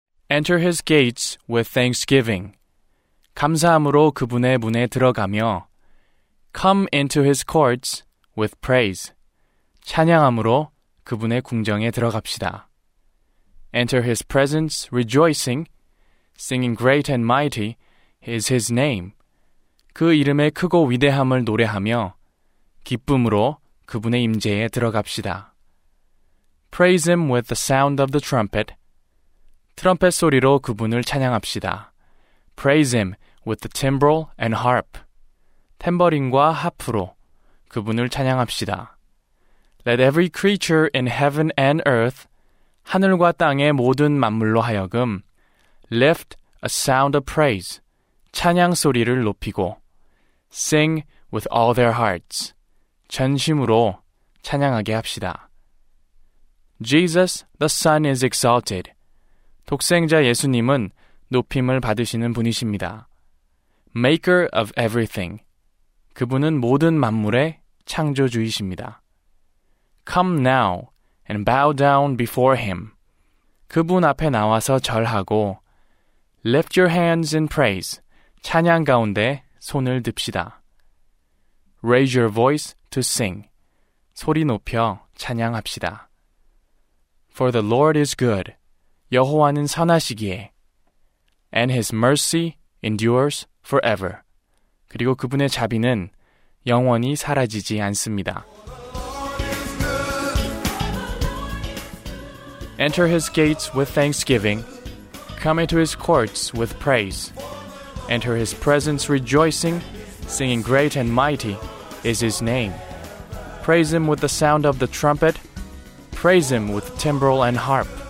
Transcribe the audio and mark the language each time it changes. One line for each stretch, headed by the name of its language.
English: Enter his gates with thanksgiving.
Korean: 감사함으로 그분의 문에 들어가며
English: Come into his courts with praise.
Korean: 찬양함으로 그분의 궁정에 들어갑시다.
English: Enter his presence rejoicing, singing great and mighty is his name.
Korean: 그 이름의 크고 위대함을 노래하며 기쁨으로 그분의 임재에 들어갑시다.
English: Praise him with the sound of the trumpet.
Korean: 트럼펫 소리로 그분을 찬양합시다.
English: Praise him with the timbrel and harp.
Korean: 탬버린과 하프로 그분을 찬양합시다.
English: Let every creature in heaven and earth,
Korean: 하늘과 땅의 모든 만물로 하여금,
English: lift a sound of praise,
Korean: 찬양 소리를 높이고,
English: sing with all their hearts,
Korean: 전심으로 찬양하게 합시다.
English: Jesus, the Son is exalted.
Korean: 독생자 예수님은 높임을 받으시는 분이십니다.
English: Maker of everything.
Korean: 그분은 모든 만물의 창조주이십니다.
English: Come now and bow down before him.
Korean: 그분 앞에 나와서 절하고
English: Lift your hands in praise.
Korean: 찬양 가운데 손을 듭시다.
English: Raise your voice to sing.
Korean: 소리 높여 찬양합시다.
English: For the Lord is good.
Korean: 여호와는 선하시기에
English: And his mercy endures forever.
Korean: 그리고 그분의 자비는 영원히 사라지지 않습니다.
English: Enter his gates with thanksgiving. Come into his courts with praise. Enter his presence rejoicing, singing great and mighty is his name. Praise him with the sound of the trumpet. Praise him with timbrel and harp.